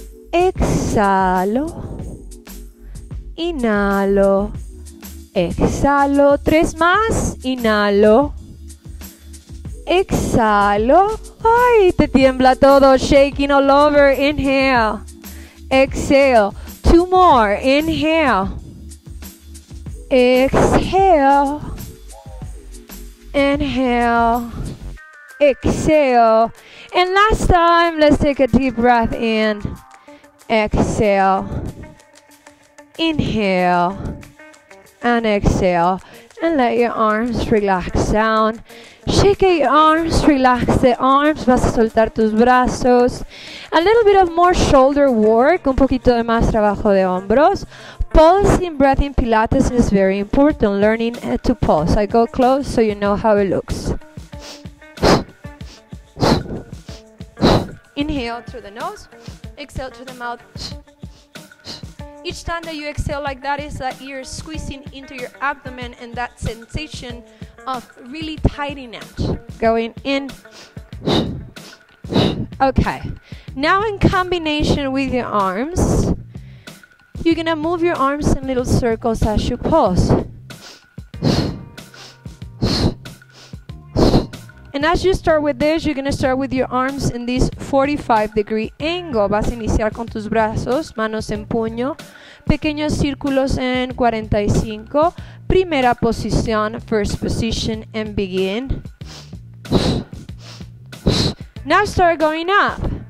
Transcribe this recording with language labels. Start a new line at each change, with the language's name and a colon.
Spanish: Exhalo, inhalo, exhalo, tres más, inhalo, exhalo, ay, te tiembla todo,
English: shaking all over, inhale, exhale, two more, inhale, exhale, inhale, exhale, and last time, let's take a deep breath in. Exhale, inhale, and exhale, and let your arms relax down. Shake your arms, relax the arms,
Spanish: vas a soltar tus brazos.
English: A little bit of more shoulder work,
Spanish: un poquito de más trabajo de hombros.
English: Pulsing breath in Pilates is very important, learning to pulse. I go close so you know how it looks. Inhale through the nose. Exhale through the mouth. Each time that you exhale like that is that you're squeezing into your abdomen and that sensation of really tightening it. Going in. Okay. Now in combination with your arms, you're going to move your arms in little circles as you pulse. And as you start with this, you're going to start with your arms in this 45 degree angle.
Spanish: Vas a iniciar con tus brazos, manos en puño. Pequeños círculos en 45. Primera posición,
English: first position, and begin. Now start going up.